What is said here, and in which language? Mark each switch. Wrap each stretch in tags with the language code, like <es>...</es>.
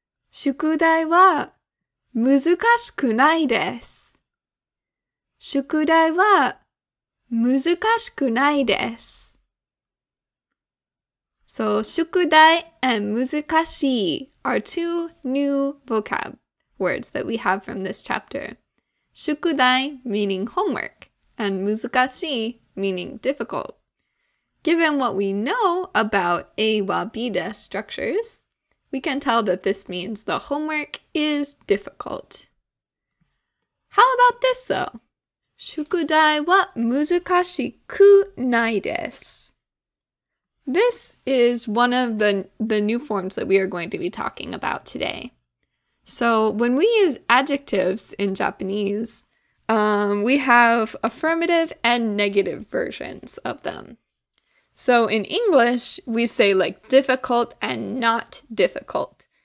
<ja>宿題は難しくないです。宿題は難しくないです。</ja> <en>So, 宿題 and 難しい are two new vocab words that we have from this chapter. 宿題 meaning homework and 難しい meaning difficult. Given what we know about A wa B desu structures, we can tell that this means the homework is difficult. How about this though?</en> <ja>宿題は難しくないです。</ja> <en>This is one of the new forms that we are going to be talking about today. So when we use adjectives in Japanese, we have affirmative and negative versions of them. So in English, we say like difficult and not difficult.</en>